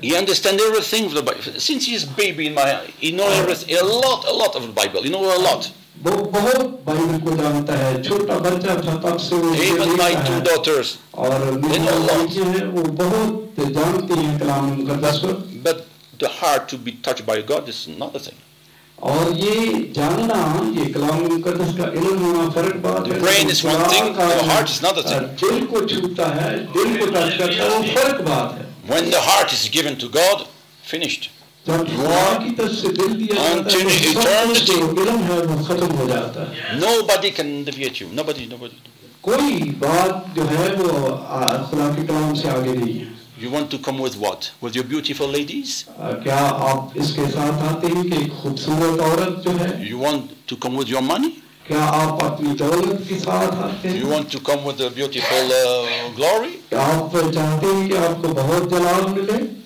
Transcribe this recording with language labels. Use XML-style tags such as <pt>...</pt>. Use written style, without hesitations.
<en>He understands everything of the Bible. Since he is baby in my eye, he knows everything, a lot of the Bible. He knows a lot.</en> <hi>वो बहुत Bible को जानता है. छोटा बच्चा था तब से वो ये जानता है.</hi> <en>Even my 2 daughters.</en> <hi>और मेरी बच्ची है, वो बहुत जानती है कलाम मुकद्दस को.</hi> <en>But the heart to be touched by God is another thing.</en> <hi>और ये जानना ये कलाम मुकद्दस का इल्म होना फर्क बात है.</hi> <en>Brain is one thing, the heart is another thing.</en> <hi>दिल को छूता है, दिल को टच करता है, वो फर्क बात है.</hi> <en>When the heart is given to God, finished. Until eternity,</en> <hi>इल्म है वो खत्म हो जाता है.</hi> <en>Nobody can deviate you. Nobody.</en> <hi>कोई बात जो है वो खुदा के कलाम से आगे नहीं है.</hi> <en>You want to come with what? With your beautiful ladies?</en> <hi>क्या आप इसके साथ आते हैं कि खूबसूरत औरत जो है?</hi> <en>You want to come with your money?</en> <hi>क्या आप अपनी दौलत के साथ आते हैं?</hi> <en>You want to come with a beautiful glory?</en> <hi>क्या आप चाहते हैं कि आपको बहुत जलाल मिले?</hi>